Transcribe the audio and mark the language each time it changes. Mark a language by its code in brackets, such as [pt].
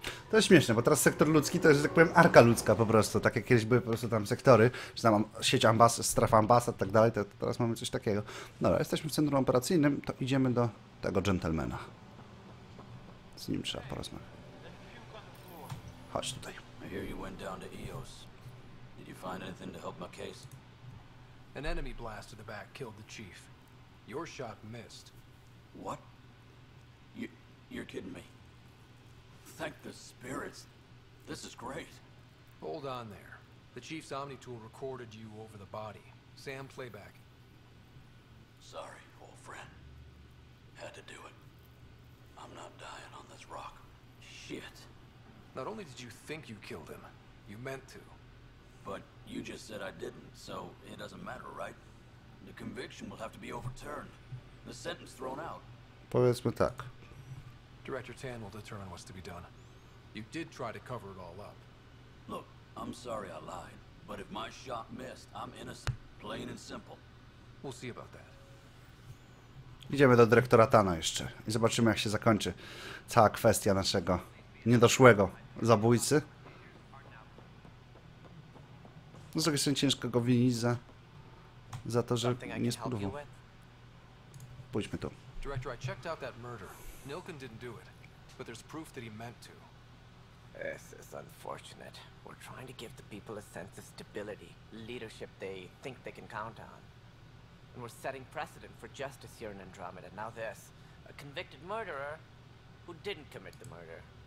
[pl] To jest śmieszne, bo teraz sektor ludzki to jest, tak powiem, arka ludzka po prostu. Tak jak kiedyś były po prostu tam sektory, czy tam sieć ambasad, strefa ambasad, tak dalej, to teraz mamy coś takiego. Dobra, jesteśmy w centrum operacyjnym, to idziemy do tego dżentelmena. Z nim trzeba porozmawiać. Chodź tutaj. Słyszałem, że poszedłeś do EOS. [en] Did you find anything to help my case? An enemy blast to the back killed the chief. Your shot missed. What? You're kidding me. Thank the spirits. This is great. Hold on there. The chief's Omnitool recorded you over the body. Sam, playback. Sorry, old friend. Had to do it. I'm not dying on this rock. Shit. Not only did you think you killed him, you meant to. But you just said I didn't, so it doesn't matter, right? The conviction will have to be overturned. The sentence thrown out. [pl] Powiedzmy tak. [en] Director Tan will determine what's to be done. You did try to cover it all up. Look, I'm sorry I lied. But if my shot missed, I'm innocent, plain and simple. We'll see about that. [pl] Idziemy do dyrektora Tana jeszcze i zobaczymy, jak się zakończy cała kwestia naszego niedoszłego zabójcy. No z drugiej strony ciężko go winić za to, że nie spróbował. Pójdźmy tu. [en] Director, I checked out that murder. Nilkin didn't do it, but there's proof that he meant to. This is unfortunate. We're trying to give the people a sense of stability, leadership they think they can count on. And we're setting precedent for justice here in Andromeda. Now this, a convicted murderer who didn't commit the murder.